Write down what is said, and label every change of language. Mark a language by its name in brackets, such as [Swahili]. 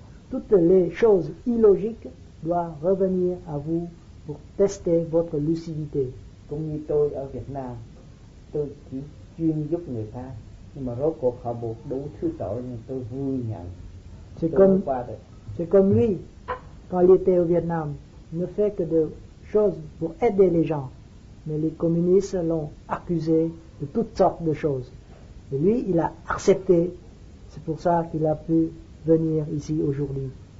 [French] Toutes les choses illogiques doivent revenir à vous pour tester votre lucidité. Comme moi, au Vietnam, je suis [Vietnamese] chuyên giúp người ta, nhưng mà rốt cuộc họ buộc đủ thứ tội, nhưng tôi vui nhận. [French] C'est comme lui, quand il était au Vietnam, il ne fait que des choses pour aider les gens. mais les communistes l'ont accusé de toutes sortes de choses. Et lui, il a accepté. C'est pour ça qu'il a pu venir ici aujourd'hui.